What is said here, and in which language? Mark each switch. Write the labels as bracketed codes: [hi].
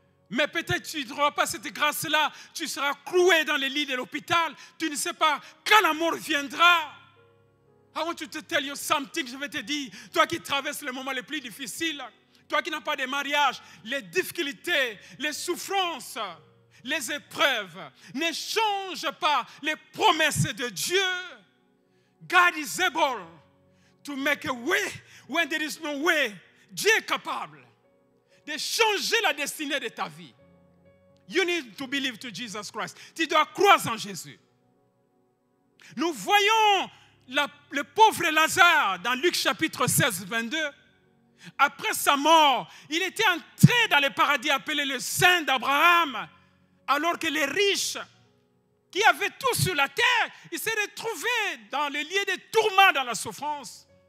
[fr] Mais peut-être tu n'auras pas cette grâce-là, tu seras cloué dans les lits de l'hôpital, tu ne sais pas quand la mort viendra. [en] I want to tell you something, [fr] je vais te dire, toi qui traverses le moment le plus difficile, toi qui n'as pas de mariage, les difficultés, les souffrances, les épreuves, ne change pas les promesses de Dieu. [en] God is able to make a way when there is no way. [fr] Dieu est capable de changer la destinée de ta vie. [en] You need to believe to Jesus Christ. [fr] Tu dois croire en Jésus. Nous voyons le pauvre Lazare, dans Luc chapitre 16, 22, après sa mort, il était entré dans le paradis appelé le sein d'Abraham, alors que les riches, qui avaient tout sur la terre, ils se retrouvaient dans les lieux de tourment, dans la souffrance.